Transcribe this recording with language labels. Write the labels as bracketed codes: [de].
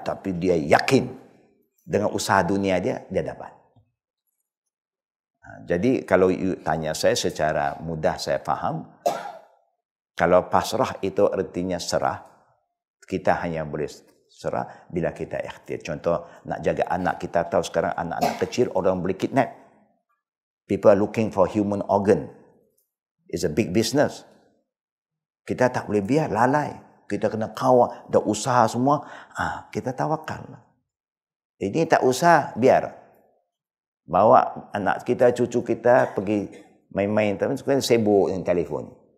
[ms] Tapi dia yakin dengan usaha dunia dia dapat. Jadi kalau you tanya saya secara mudah saya faham. Kalau pasrah itu artinya serah. Kita hanya boleh serah bila kita ikhtiar. Contoh nak jaga anak, kita tahu sekarang anak-anak kecil orang boleh kidnap. [en] People are looking for human organ. It's a big business. [ms] Kita tak boleh biar lalai. Kita kena kawal, dah usaha semua. Kita tawakal. Ini tak usah, biar. Bawa anak kita, cucu kita pergi main-main. Sekarang sibuk dengan telefon.